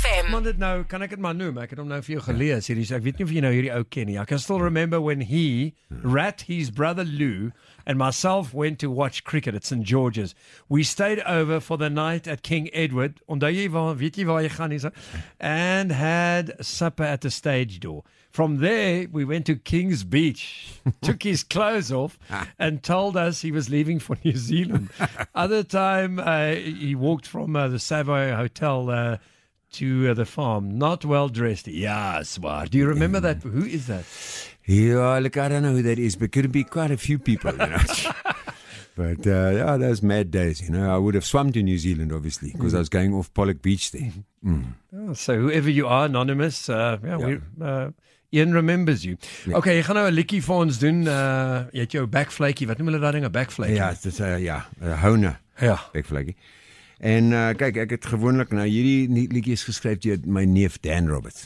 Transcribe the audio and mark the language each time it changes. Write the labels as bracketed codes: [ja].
[af] Want dit nou, kan ek dit maar noem? Ek het hom nou vir jou gelees hierdie. Ek weet nie of jy nou hierdie ou ken nie. [en] I can still remember when he, Rat, his brother Lou, and myself went to watch cricket at St. George's. We stayed over for the night at King Edward. [af] Onthou jy waar, weet jy waar jy gaan nie? [en] And had supper at the stage door. From there, we went to King's Beach, took his clothes off, and told us he was leaving for New Zealand. Other time, he walked from the Savoy Hotel to the farm, not well dressed. Yes, well, do you remember that? Who is that? Yeah, look, I don't know who that is, but could it be quite a few people, you know? But yeah, those mad days, you know. I would have swum to New Zealand, obviously, because I was going off Pollock Beach then. Mm. So whoever you are, anonymous, Ian remembers you. Yeah. [af] Okay, jy gaan nou 'n liedjie vir ons doen. Jy het jou backflakey. Wat noem hulle daai ding, 'n backflakey? Ja, dit is 'n honer. Ja. Backflakey. En kyk, ek het gewoonlik nou hierdie liedjie geskryf deur my neef Dan Roberts.